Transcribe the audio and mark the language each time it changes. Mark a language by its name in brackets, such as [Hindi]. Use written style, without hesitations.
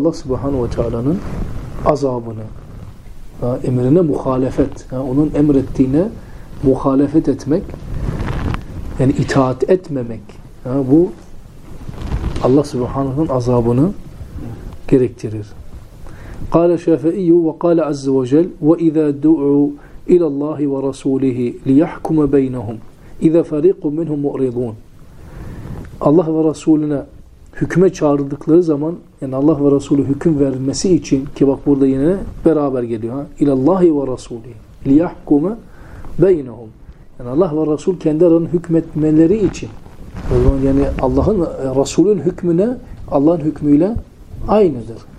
[Turkish] Allah Subhanahu ve Teala'nın azabını, emrine muhalefet, onun emrettiğine muhalefet etmek, yani itaat etmemek, bu Allah Subhanahu'nun azabını gerektirir. [Arabic] قال الشافعي وقال عز وجل وإذا دعوا إلى الله ورسوله ليحكم بينهم إذا فريق منهم مؤرضون. [Turkish] Allah ve Resulüne hüküme çağrıldıkları zaman, yani Allah ve Resulü hüküm vermesi için, ki bak burada yine beraber geliyor. [Arabic] İllallahi ve Resulü liyahkume beynehum. [Turkish] Yani Allah ve Resul kendi aralarında hükmetmeleri için. O zaman yani Allah'ın, Resulün hükmüne, Allah'ın hükmüyle aynıdır.